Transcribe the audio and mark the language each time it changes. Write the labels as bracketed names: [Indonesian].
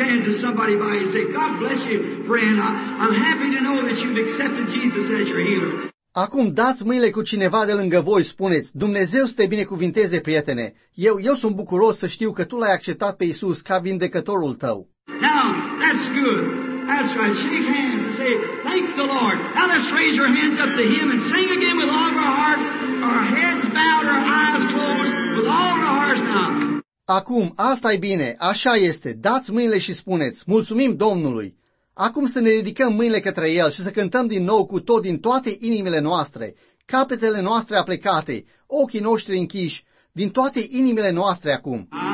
[English] Somebody by and say, God bless you, friend. I'm happy to know that you've accepted Jesus as your healer. [Romanian] Acum dați mâinile cu cineva de lângă voi, spuneți, Dumnezeu să te binecuvinteze, prietene. Eu sunt bucuros să știu că tu l-ai acceptat pe Iisus ca vindecătorul tău. [English] Now, that's good. That's right. Shake hands and say, thank the Lord. Now let's raise your hands up to him and sing again with all of our hearts, our heads bowed, our eyes closed, with all of our hearts now. [Romanian] Acum, asta e bine, așa este, dați mâinile și spuneți, mulțumim Domnului. Acum să ne ridicăm mâinile către El și să cântăm din nou cu tot din toate inimile noastre, capetele noastre aplecate, ochii noștri închiși, din toate inimile noastre acum.